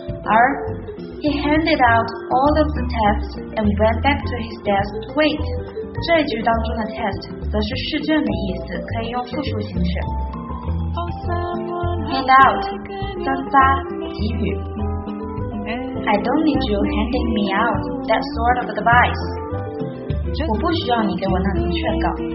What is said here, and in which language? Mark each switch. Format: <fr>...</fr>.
<en>而 he handed out all of the tests and went back to his desk to wait.</en> <zh>这一句当中的 test 则是试卷的意思，可以用复数形式。</zh> <en>Hand out,</en> <zh>分发，给予。</zh> <en>I don't need you handing me out that sort of advice.</en> <zh>我不需要你给我那种劝告。</zh>